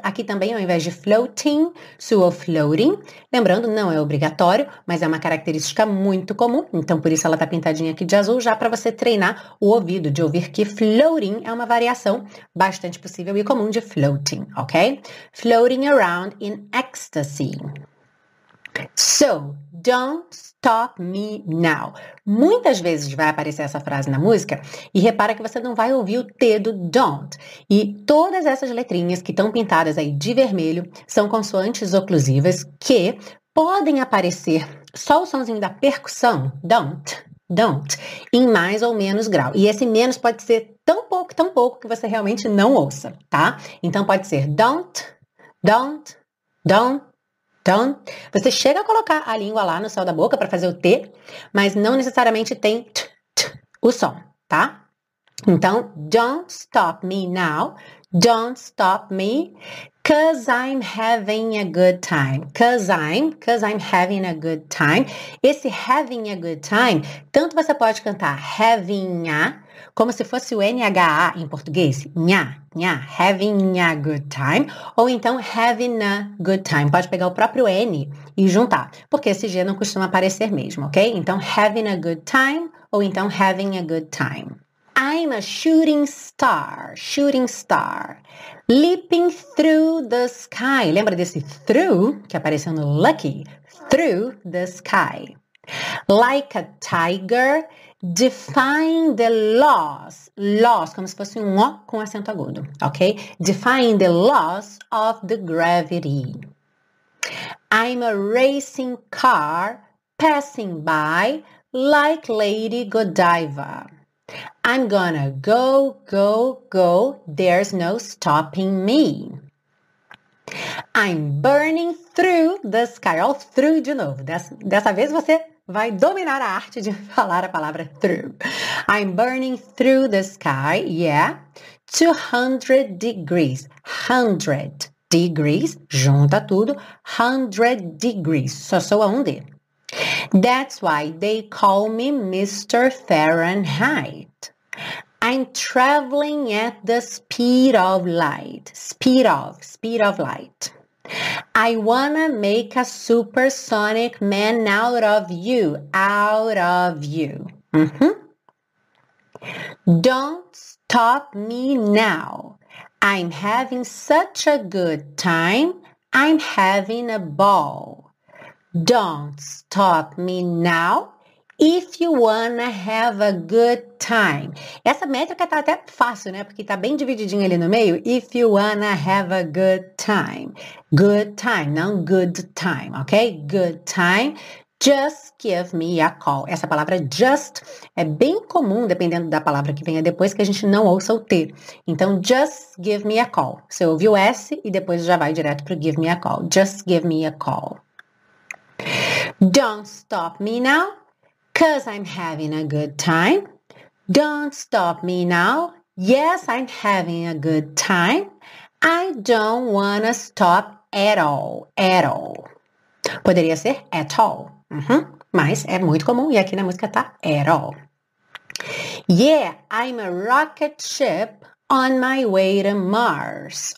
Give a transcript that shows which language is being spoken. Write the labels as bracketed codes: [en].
[pt] Aqui também, ao invés de floating, sou floating. Lembrando, não é obrigatório, mas é uma característica muito comum. Então, por isso ela tá pintadinha aqui de azul, já para você treinar o ouvido de ouvir que floating é uma variação bastante possível e comum de floating, ok? [en] Floating around in ecstasy. So, don't stop me now. [pt] Muitas vezes vai aparecer essa frase na música e repara que você não vai ouvir o T do don't. E todas essas letrinhas que estão pintadas aí de vermelho são consoantes oclusivas que podem aparecer só o sonzinho da percussão, don't, don't, em mais ou menos grau. E esse menos pode ser tão pouco que você realmente não ouça, tá? Então pode ser don't, don't, don't. Então, você chega a colocar a língua lá no céu da boca para fazer o T, mas não necessariamente tem t, t, o som, tá? [en] Então, don't stop me now, don't stop me, cause I'm having a good time. Cause I'm having a good time. [pt] Esse [en] having a good time, [pt] tanto você pode cantar having a, como se fosse o NHA em português, nha, nha, having a good time, ou então having a good time, pode pegar o próprio N e juntar, porque esse G não costuma aparecer mesmo, ok? Então, having a good time, ou então [en] having a good time. I'm a shooting star, shooting star. Leaping through the sky. [pt] Lembra desse through que apareceu no lucky? [en] Through the sky. Like a tiger, defying the laws. [pt] Laws, como se fosse um O com acento agudo, ok? [en] Defying the laws of the gravity. I'm a racing car passing by like Lady Godiva. I'm gonna go, go, go, there's no stopping me. I'm burning through the sky. All through [pt] de novo. Dessa vez você vai dominar a arte de falar a palavra through. [en] I'm burning through the sky, yeah. 200 degrees. 100 degrees. [pt] Junta tudo. [en] 100 degrees. [pt] Só soa um D. [en] That's why they call me Mr. Fahrenheit. I'm traveling at the speed of light. Speed of light. I wanna make a supersonic man out of you. Out of you. Mm-hmm. Don't stop me now. I'm having such a good time. I'm having a ball. Don't stop me now. If you wanna have a good time. [pt] Essa métrica tá até fácil, né? Porque tá bem divididinho ali no meio. [en] If you wanna have a good time. Good time, não good time, ok? Good time. Just give me a call. [pt] Essa palavra just é bem comum, dependendo da palavra que venha depois, que a gente não ouça o T. Então, just [en] give me a call. [pt] Você ouve o S e depois já vai direto pro give me a call. [en] Just give me a call. Don't stop me now. Because I'm having a good time. Don't stop me now. Yes, I'm having a good time. I don't wanna stop at all. At all. [pt] Poderia ser at all. Uhum. Mas é muito comum e aqui na música tá at all. [en] Yeah, I'm a rocket ship on my way to Mars.